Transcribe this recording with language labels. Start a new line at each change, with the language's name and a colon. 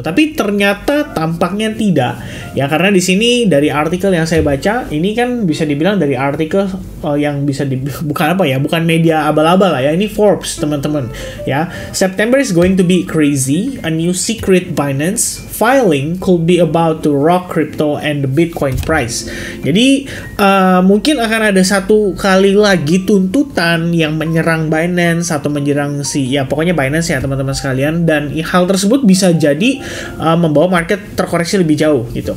Indonesian: Tapi ternyata tampaknya tidak ya, karena di sini dari artikel yang saya baca ini kan bisa dibilang dari artikel bukan media abal-abal lah ya, ini Forbes teman-teman ya.
English: September is going to be crazy. A new secret Binance filing could be about to rock crypto and the Bitcoin price.
Indonesian: Jadi mungkin akan ada satu kali lagi tuntutan yang menyerang Binance atau menyerang si ya pokoknya Binance ya teman-teman sekalian, dan hal tersebut bisa jadi membawa market terkoreksi lebih jauh gitu.